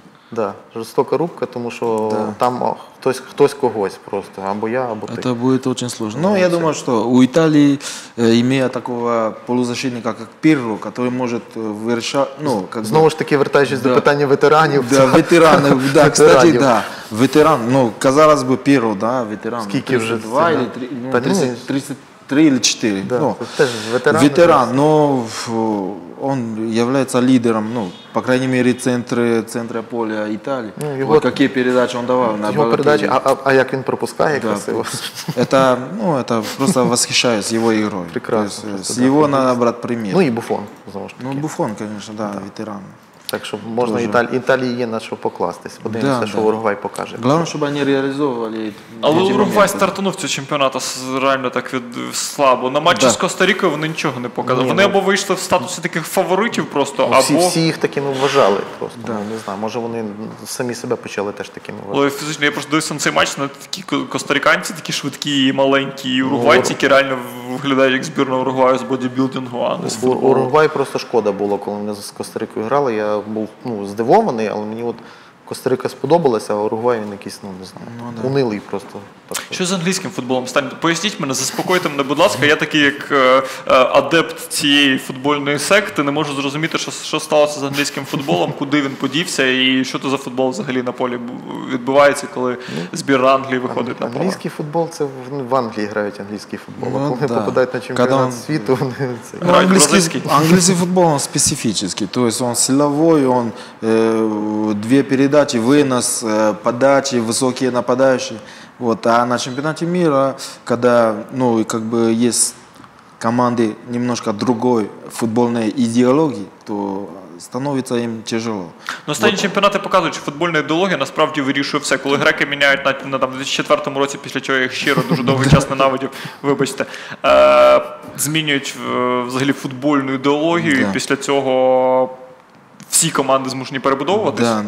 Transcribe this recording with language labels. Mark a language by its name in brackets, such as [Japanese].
[Ukrainian] Да, жорстока рубка, тому що там хтось когось просто, або я, або ти. Це буде дуже складно. Ну, я думаю, що у Італії має такого полузащитника, як Пірро, який може вирішати, ну, як знову ж таки, вертаючись до питання ветеранів. [Russian] Да, ветерани, да, кстати, да. Ветеран, ну, казалось бы, Пірро, да, ветеран. [Ukrainian] Скільки вже? [Russian] 32 или 33 или 4. Да, ну, [Ukrainian] теж ветеран. [Russian] Ветеран, но он является лидером, ну, по крайней мере, центра поля Италии. Ну, его, вот какие передачи он давал. На его передачи, а как он пропускает, да, красиво. Это, ну, это просто восхищаюсь его игрой. Прекрасно. С его надо брать пример. Ну и Буффон. Ну, Буффон, конечно, да, ветеран. Так что можно Италии есть на что покластись. [Ukrainian] Подивимося, да, [Russian] что да. [Ukrainian] Уругвай покаже. [Russian] Главное, чтобы они реализовывали эти моменты. [Ukrainian] Но Уругвай стартанув цей чемпионат реально так слабо. На матчі с Коста-Рикою вони нічого не показали. Вони або вийшли в статусі таких фаворитів просто, або... Всі їх такими вважали просто. Да. Не знаю, може вони самі себе почали теж такими вважати. Але фізично, я просто дивився на цей матч, на такі костариканці такі швидкі і маленькі, і уругвайці, які реально виглядають як збірна Уругваю з бодібілдингу, а не з футболу. Уругвай просто шкода було, коли вони з Коста-Рикою грали. Я був здивований, але мені от Коста-Рика сподобалася, а Уругвай він якийсь, не знаю, унилий просто. Що з англійським футболом стане? Поясніть мене, заспокойте мене, будь ласка, я такий як адепт цієї футбольної секти, не можу зрозуміти, що сталося з англійським футболом, куди він подівся і що то за футбол взагалі на полі відбувається, коли збір Англії виходить на поле. Англійський футбол, це в Англії грають англійський футбол, а коли попадають на чемпіонат світу, вони це... Англійський футбол, він специфічний, тобто він силовий, він дві передачі, винос, подачі, високі нападаючі. [Russian] Вот, а на чемпионате мира, когда, как бы есть команды немножко другой футбольной идеологии, то становится им тяжело. Но остальные чемпионаты показывают, что футбольная идеология на самом деле решает все. Когда греки меняют на 2004 году, после чего я их [Ukrainian] щиро, [Russian] очень долгий час ненавидел, [Ukrainian] вибачте, [Russian] изменяют взагалі футбольную идеологию, и после этого [Ukrainian] всі команди змушені перебудовуватися?